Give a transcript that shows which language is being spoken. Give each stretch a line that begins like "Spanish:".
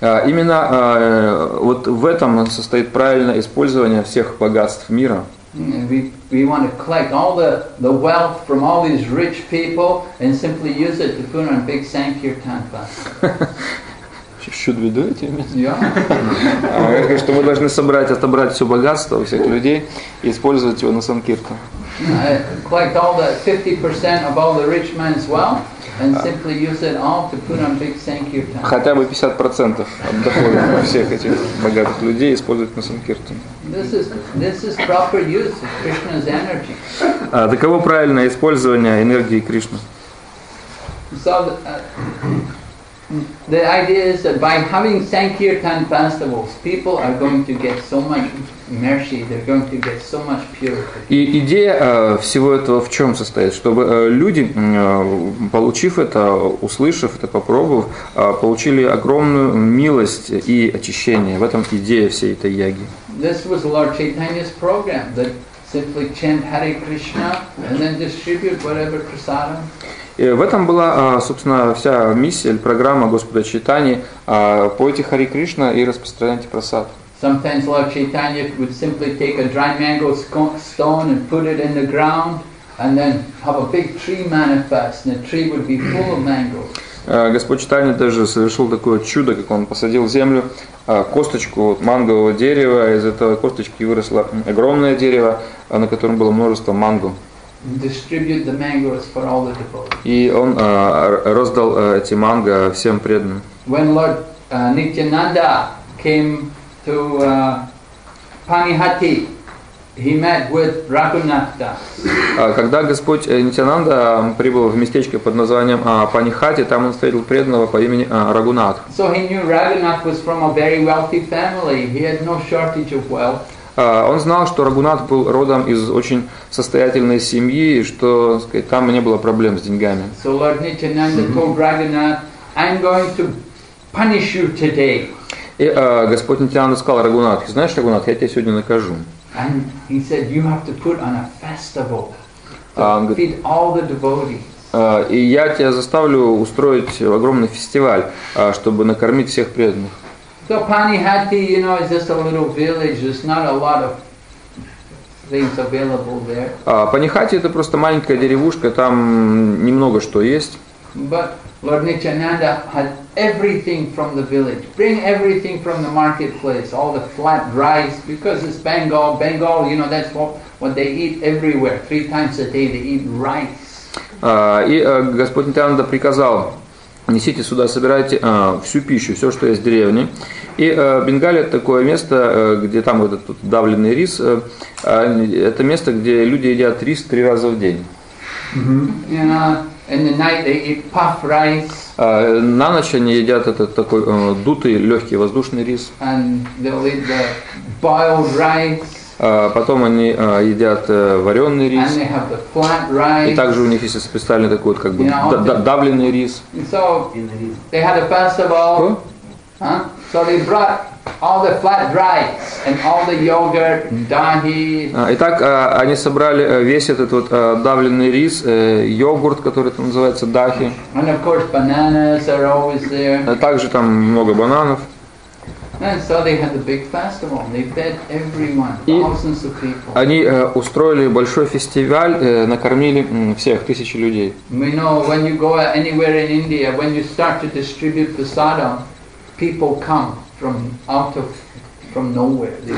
Russian: Именно вот в этом состоит правильное использование всех богатств мира.
English: We want to collect all the wealth from all these rich people and simply use it to put on big Sankirtan class. Should we do it? Yeah.
Russian: Я говорю, что мы должны собрать, отобрать все богатство у всех людей и использовать его на Санкиртан.
English: Collect all the 50% of all the rich man's wealth and simply use it all to put on big Sankirtan.
Russian: Хотя бы 50% от дохода всех этих богатых людей использовать на Санкиртан.
English: This is proper use of Krishna's energy.
Russian: Таково правильное использование энергии Кришны.
English: So the idea is that by having Sankirtan festivals, people are going to get so much mercy, they're going to get so much purity.
Russian: И идея всего этого в чем состоит? Чтобы люди, получив это, услышав это, попробовав, получили огромную милость и очищение. В этом идея всей этой яги.
English: This was Lord Chaitanya's program, that simply chant Hare Krishna and then distribute whatever prasadam.
Russian: И в этом была, собственно, вся миссия, программа Господа Чайтани, пойте Хари Кришна и распространяйте прасад.
English: Sometimes Lord Chaitanya would simply take a dry mango stone and put it in the ground and then have a big tree manifest, and the tree would be full of mangoes.
Russian: Господь Чайтанья даже совершил такое чудо, как он посадил в землю косточку мангового дерева, из этой косточки выросло огромное дерево, на котором было множество манго.
English: Distribute the mangoes for all the devotees.
Russian: И он раздал эти манго всем преданным.
English: When Lord Nityananda came to Panihati, he met with Raghunatha.
Russian: Когда Господь Нитянанда прибыл в местечко под названием Панихати, там он встретил преданного по имени Рагунат.
English: So he knew Raghunath was from a very wealthy family. He had no shortage of wealth.
Russian: Он знал, что Рагунат был родом из очень состоятельной семьи, и что, так сказать, там не было проблем с деньгами.
English: So Lord Nityananda told Raghunath, I'm going to punish you today.
Russian: И Господь Нитянанда сказал Рагунат, знаешь, Рагунат, я тебя сегодня накажу.
English: And he said, you have to put on a festival to feed all the devotees.
Russian: И я тебя заставлю устроить огромный фестиваль, чтобы накормить всех преданных.
English: So Panihati, you know, is just a little village. There's not a lot of things available there.
Russian: Панихати — это просто маленькая деревушка, там немного что есть.
English: But Lord Nityananda had everything from the village. Bring everything from the marketplace, all the flat rice, because it's Bengal. Bengal, you know, that's what they eat everywhere. Three times a day they eat rice.
Russian: Господь Нитянанда приказал: несите сюда, собирайте всю пищу, все, что есть в деревне. И Бенгалия — это такое место, где там вот этот давленный рис. Это место, где люди едят рис три раза в день.
English: And, in the night they eat puff rice.
Russian: На ночь они едят этот такой дутый, легкий, воздушный рис.
English: And they'll eat the boiled rice.
Russian: Потом они едят вареный рис.
English: Rice,
Russian: и также у них есть специальный такой вот, как бы,
English: you know,
Russian: давленный рис.
English: So they had a festival. Huh? So they brought all the flat rice and all the yogurt, dahi.
Russian: Итак, они собрали весь этот вот давленный рис, йогурт, который там называется дахи.
English: And of course bananas are always there.
Russian: Также там много бананов.
English: And so they had a big festival. They fed everyone, thousands of people.
Russian: Они устроили большой фестиваль, накормили всех, тысячи людей.
English: We know when you go anywhere in India, when you start to distribute prasadam, people come from out of from nowhere.